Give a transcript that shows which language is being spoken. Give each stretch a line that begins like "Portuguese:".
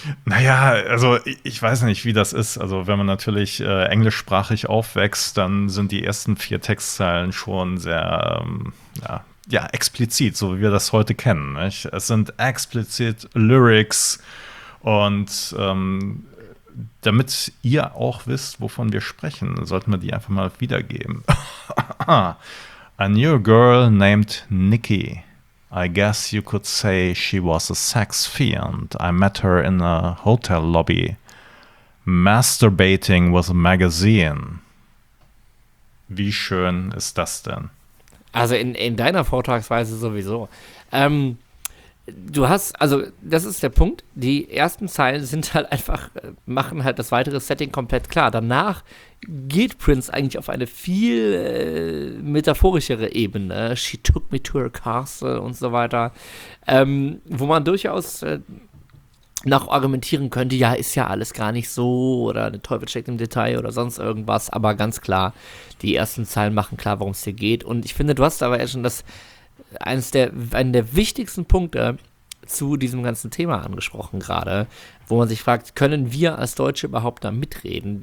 German: Naja, also ich weiß nicht, wie das ist. Also wenn man natürlich englischsprachig aufwächst, dann sind die ersten 4 Textzeilen schon sehr explizit, so wie wir das heute kennen. Nicht? Es sind explizit Lyrics und damit ihr auch wisst, wovon wir sprechen, sollten wir die einfach mal wiedergeben.
English: A new girl named Nikki. I guess you could say she was a sex fiend. I met her in a hotel lobby, masturbating with a magazine.
German: Wie schön ist das denn? Also in deiner Vortragsweise sowieso. Das ist der Punkt. Die ersten Zeilen sind halt einfach, machen halt das weitere Setting komplett klar. Danach geht Prince eigentlich auf eine viel metaphorischere Ebene.
English: She took me to her castle
German: und so weiter. Wo man durchaus noch argumentieren könnte, ja, ist ja alles gar nicht so oder der Teufel steckt im Detail oder sonst irgendwas. Aber ganz klar, die ersten Zeilen machen klar, worum es hier geht. Und ich finde, du hast aber ja schon einen der wichtigsten Punkte zu diesem ganzen Thema angesprochen gerade, wo man sich fragt, können wir als Deutsche überhaupt da mitreden?